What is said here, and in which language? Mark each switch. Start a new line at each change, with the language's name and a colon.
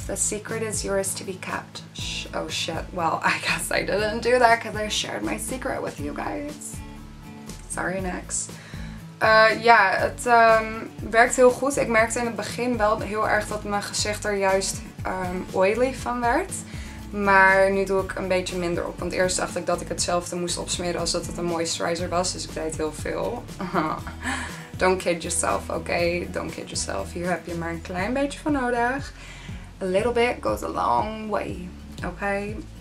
English: The secret is yours to be kept. Oh shit. Well, I guess I didn't do that because I shared my secret with you guys.
Dutch: Sorry, NYX. Het werkt heel goed. Ik merkte in het begin wel heel erg dat mijn gezicht er juist oily van werd. Maar nu doe ik een beetje minder op. Want eerst dacht ik dat ik hetzelfde moest opsmeren als dat het een moisturizer was. Dus ik deed heel veel.
English: Don't kid yourself, okay? Don't kid yourself.
Dutch: Hier heb je maar een klein beetje van nodig.
English: A little bit goes a long way, okay?